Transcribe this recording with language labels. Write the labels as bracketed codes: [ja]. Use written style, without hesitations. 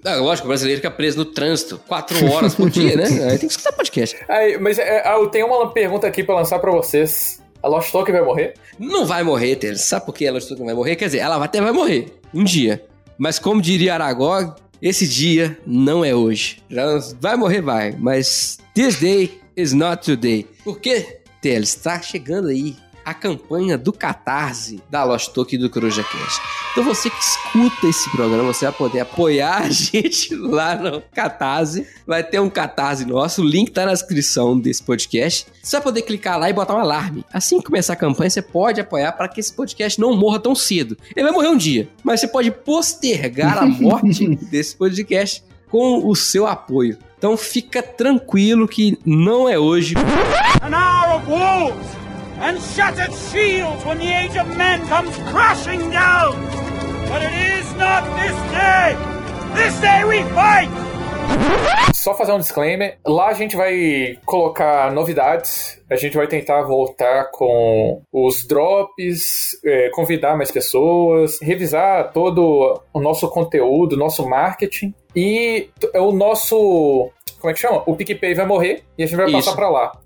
[pt] Ah, lógico, o brasileiro fica preso no trânsito 4 horas por dia, né? Aí tem que escutar podcast. Aí, mas eu tenho uma pergunta aqui pra lançar pra vocês. A Lost Token vai morrer? Não vai morrer, Teres. Sabe por que a Lost Token vai morrer? Quer dizer, ela até vai morrer. Um dia. Mas como diria Aragog, esse dia não é hoje. Vai morrer, vai. [en] Mas this day is not today. [pt] Por quê, Teres? Tá chegando aí a campanha do Catarse da Lost Token do Coruja Cast. Então você que escuta esse programa, você vai poder apoiar a gente lá no Catarse. Vai ter um Catarse nosso, o link tá na descrição desse podcast. Você vai poder clicar lá e botar um alarme. Assim que começar a campanha, você pode apoiar para que esse podcast não morra tão cedo. Ele vai morrer um dia, mas você pode postergar a morte desse podcast com o seu apoio. Então fica tranquilo que não é hoje. [en] An hour of wolves and shattered shields when the age of men comes crashing down. But it is not this day. This day we fight. [pt] Só fazer um disclaimer, lá a gente vai colocar novidades, a gente vai tentar voltar com os drops, convidar mais pessoas, revisar todo o nosso conteúdo, nosso marketing e o nosso, como é que chama? O PicPay vai morrer e a gente vai passar pra lá.